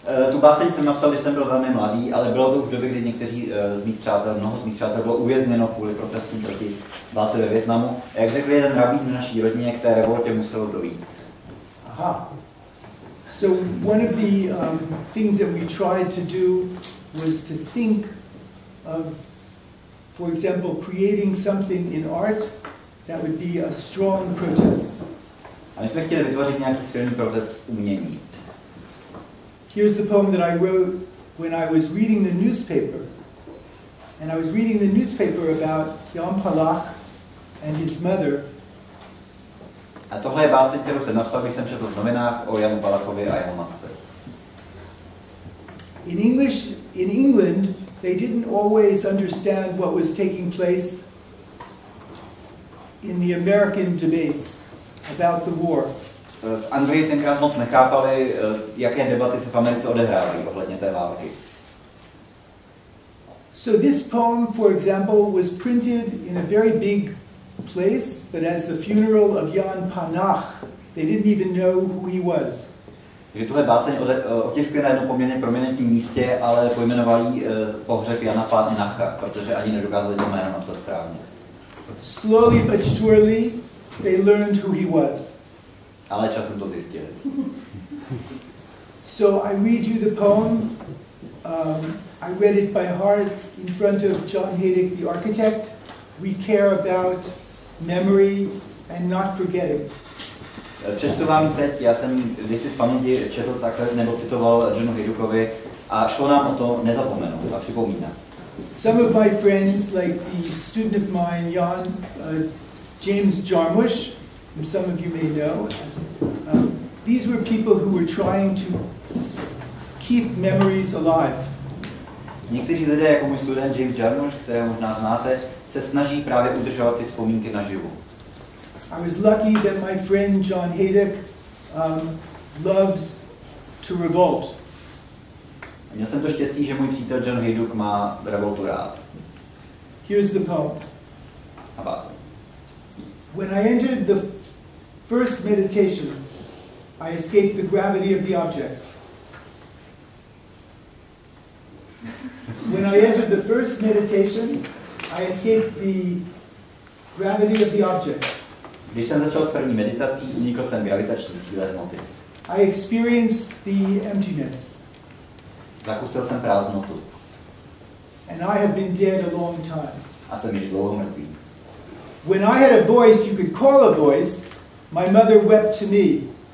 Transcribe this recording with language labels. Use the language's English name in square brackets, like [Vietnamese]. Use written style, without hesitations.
[Czech] Tu báseň jsem napsal, když jsem byl velmi mladý, ale bylo to už doby, kdy někteří z mých přátel, mnoho z mých přátel bylo uvězněno kvůli protestům proti válce ve Vietnamu. A jak řekl jeden rabín v naší rodině, k té revoltě muselo dojít. Aha. [English] So one of the things that we tried to do was to think of, for example, creating something in art that would be a strong protest. [Czech] A my jsme chtěli vytvořit nějaký silný protest v umění. [English] Here's the poem that I wrote when I was reading the newspaper. And I was reading the newspaper about Jan Palach and his mother. [Czech] A tohle je básně, kterou jsem napsal, když jsem četl v novinách o Janu Palachovi a jeho matce. [English] In English, in England, they didn't always understand what was taking place in the American debates about the war. [Czech] V Anglii tenkrát moc nechápali, jaké debaty se v Americe odehrávaly ohledně té války. [English] So this poem, for example, was printed in a very big place, but as the funeral of Jan Palach, they didn't even know who he was. [Czech] Takže tuhle báseň otiskli na jednom poměrně prominentním místě, ale pojmenovali pohřeb Jana Palacha, protože ani nedokázali to jméno napsat správně. [English] Slowly but surely, they learned who he was. [Czech] Ale časem to zjistili. [English] So I read you the poem. I read it by heart in front of John Hejduk, the architect. We care about memory and not forgetting. [Czech] Přečtu vám teď, já jsem když z paměti četl takhle, nebo citoval Johnu Hejdukovi, a šlo nám o to nezapomenout a připomínat. [English] Some of my friends, like the student of mine, Jan, James Jarmusch, whom some of you may know, these were people who were trying to keep memories alive. [Czech] Někteří lidé, jako můj student James Jarmusch, kterého možná znáte, se snaží právě udržovat ty vzpomínky naživu. [English] I was lucky that my friend John Hejduk loves to revolt. [Czech] A měl jsem to štěstí, že můj přítel John Hejduk má revoltu rád. [English] Here's the poem. [Czech] A básně. [English] When I entered the first meditation, I escaped the gravity of the object. When I entered the first meditation, I escaped the gravity of the object. [Czech] Když jsem začal s první meditací, unikl jsem gravitační síle hmoty. [English] I experienced the emptiness. [Czech] Zakusil jsem prázdnotu. [English] And I have been dead a long time. [Czech] A jsem již dlouho mrtvý. [English] When I had a voice, you could call a voice, my mother wept to me.